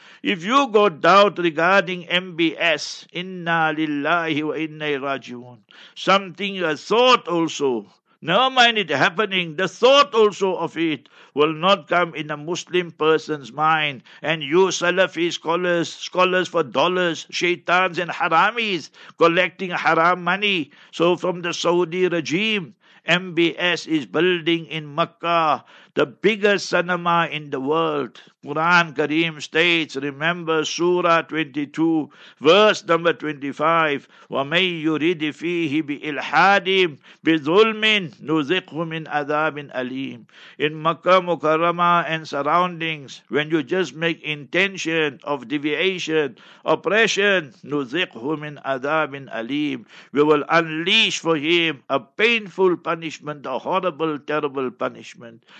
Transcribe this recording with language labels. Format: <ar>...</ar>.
<en>If you got doubt regarding MBS,</en> <ar>inna lillahi wa inna rajiun,</ar> <en>something a thought also, never mind it happening, the thought also of it will not come in a Muslim person's mind. And you Salafi scholars for dollars, shaitans and haramis collecting haram money. So from the Saudi regime, MBS is building in Makkah, the biggest cinema in the world. Quran Kareem states, remember Surah 22, verse number 25,</en> <ar>وَمَنْ يُرِدِ فِيهِ بِإِلْحَادٍ بِظُلْمٍ نُذِقْهُ مِنْ عَذَابٍ أَلِيمٍ.</ar> <en>In Makkah Mukarramah and surroundings, when you just make intention of deviation, oppression,</en> <ar>نُذِقْهُ مِنْ عَذَابٍ أَلِيمٍ,</ar> <en>we will unleash for him a painful punishment, a horrible, terrible punishment.</en>